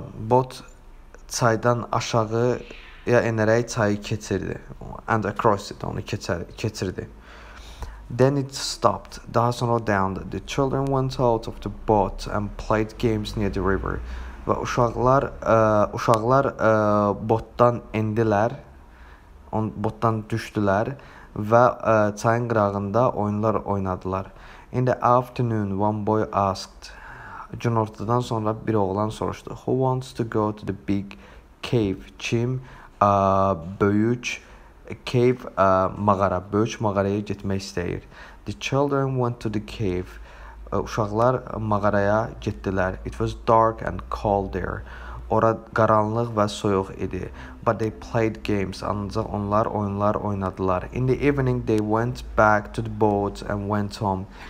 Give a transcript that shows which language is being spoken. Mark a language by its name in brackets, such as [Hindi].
[Azerbaijani] Bot çaydan aşağı ya enerəyi çayı keçirdi. [English] And across it, [Azerbaijani] onu keçirdi. [English] Then it stopped. [Azerbaijani] Daha sonra dayandı. [English] The children went out of the boat and played games near the river. [Azerbaijani] Və uşaqlar botdan endilər. Botdan düşdülər. Və çayın qırağında oyunlar oynadılar. [English] In the afternoon, one boy asked. [Azerbaijani] Günortadan sonra bir oğlan soruşdu. [English] Who wants to go to the big cave? [Azerbaijani] Kim böyük cave, mağara, böyük mağaraya getmək istəyir? [English] The children went to the cave. [Azerbaijani] Uşaqlar mağaraya getdilər. [English] It was dark and cold there. [Azerbaijani] Ora qaranlıq və soyuq idi. [English] But they played games. [Azerbaijani] Ancaq onlar oyunlar oynadılar. [English] In the evening they went back to the boat and went home.